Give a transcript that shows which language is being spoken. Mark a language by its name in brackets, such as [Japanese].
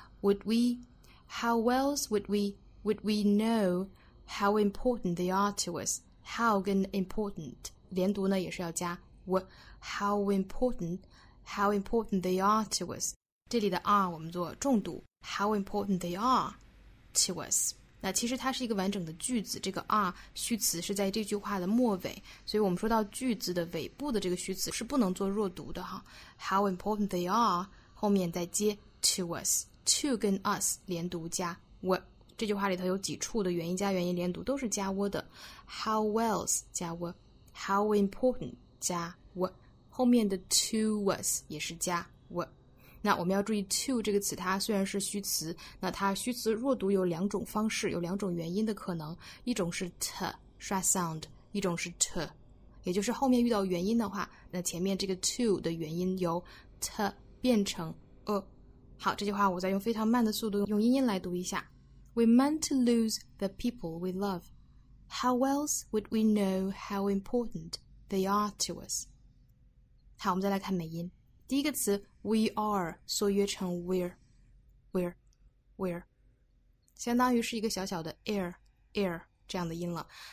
[English] Would we, how else would we know how important they are to us? [Chinese] How 跟 important 连读呢也是要加 [English] how important they are to us. [Chinese] 这里的 are 我们做重读 [English] how important they are to us。 [Chinese] 那其实它是一个完整的句子，这个 are 虚词是在这句话的末尾，所以我们说到句子的尾部的这个虚词是不能做弱读的哈。 [English] How important they are, [Chinese] 后面再接 to us, to 跟 us 连读加 w, 这句话里头有几处的元音加元音连读都是加 w 的。 How else 加 w, how important 加 w, 后面的 to us 也是加 w。那我们要注意 to 这个词它虽然是虚词，那它虚词弱读有两种方式，有两种元音的可能，一种是 t 刷 sound, 一种是 t, 也就是后面遇到元音的话，那前面这个 to 的元音由 t 变成 a。好，这句话我再用非常慢的速度用英音来读一下。 [English] We meant to lose the people we love. How else would we know how important they are to us? [Chinese] 好，我们再来看美音。第一个词 we are 缩约成 we're 相当于是一个小小的 air 这样的音了。